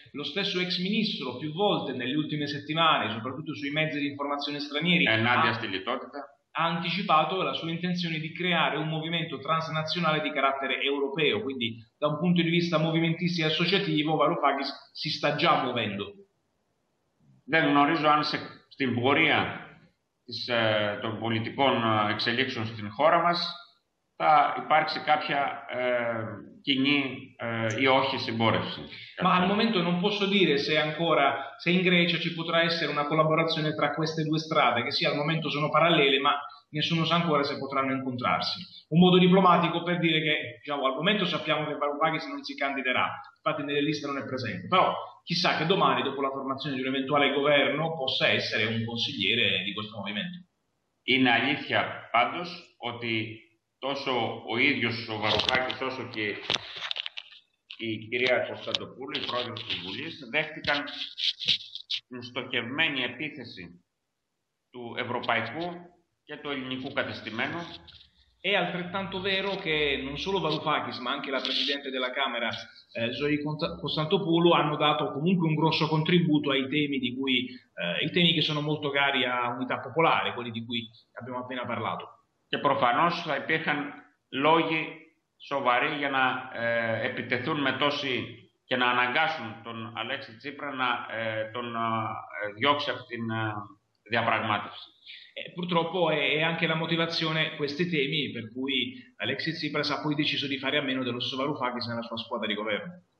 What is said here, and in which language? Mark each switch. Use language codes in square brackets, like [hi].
[it] Lo stesso ex ministro più volte nelle ultime settimane, soprattutto sui mezzi di informazione stranieri, [el] ενάντια στη λιτότητα, [it] ha anticipato la sua intenzione di creare un movimento transnazionale di carattere europeo, quindi da un punto di vista movimentistico e associativo Varoufakis si sta già muovendo. [el] Δεν γνωρίζω αν στην πορεία των πολιτικών εξελίξεων στην χώρα μας θα υπάρξει κάποια κοινή ή όχι συμπόρευση. [it] Ma al momento non posso dire se ancora, se in Grecia ci potrà essere una collaborazione tra queste due strade, che sì, al momento sono parallele, ma nessuno sa ancora se potranno incontrarsi. Un modo diplomatico per dire che, diciamo, al momento sappiamo che Varoufakis non si candiderà, infatti nelle liste non è presente, però chissà che domani, dopo la formazione di un eventuale governo, possa essere un consigliere di questo movimento. [el] In alithia, pantos, oti τόσο ο ίδιος ο Βαρουφάκης όσο και η κυρία Κωνσταντοπούλη, πρόεδρος της Βουλής, δέχτηκαν την στοχευμένη επίθεση του ευρωπαϊκού και του ελληνικού κατεστημένου. [it] È altrettanto vero che non solo Varoufakis, ma anche la Presidente della Camera, Zoe Kostantopoulou, hanno dato comunque un grosso contributo ai temi di cui, i temi che sono molto cari a Unità Popolare, quelli di cui abbiamo appena parlato. [el] Και προφανώς θα υπήρχαν λόγοι σοβαροί για να επιτεθούν με τόση και να αναγκάσουν τον Αλέξη Τσίπρα να τον διώξει από την διαπραγμάτευση. [it] Purtroppo è anche la motivazione questi temi per cui Αλέξη Τσίπρας ha poi deciso di fare a meno dello stesso Varoufakis nella sua squadra di governo.